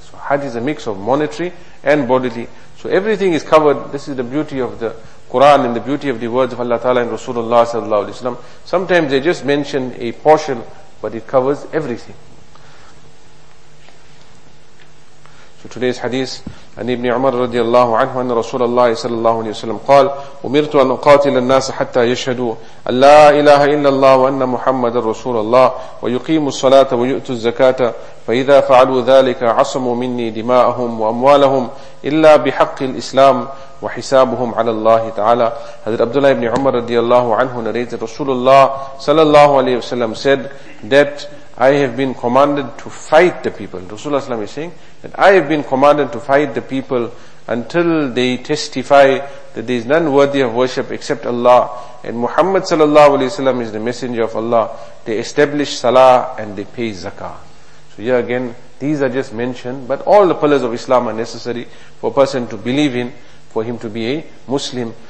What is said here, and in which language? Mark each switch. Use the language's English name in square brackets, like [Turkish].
[English] So hajj is a mix of monetary and bodily. So everything is covered. This is the beauty of the Quran and the beauty of the words of Allah Ta'ala and Rasulullah sallallahu alaihi wasallam. Sometimes they just mention a portion, but it covers everything. So today's hadith, [Arabic] عن ابن عمر رضي الله عنه أن رسول الله صلى الله عليه وسلم قال أمرت أن أقاتل الناس حتى يشهدوا أن لا إله إلا الله وأن محمد رسول الله ويقيموا الصلاة ويؤتوا الزكاة فإذا فعلوا ذلك عصموا مني دماءهم وأموالهم إلا بحق الإسلام وحسابهم على الله تعالى. حضرت عبد الله بن عمر رضي الله عنه narrated رسول الله صلى الله عليه وسلم [English] said that I have been commanded to fight the people. Rasulullah is saying that I have been commanded to fight the people until they testify that there is none worthy of worship except Allah. And Muhammad sallallahu alayhi wa sallam is the messenger of Allah. They establish salah and they pay zakah. So here again, these are just mentioned, but all the pillars of Islam are necessary for a person to believe in, for him to be a Muslim.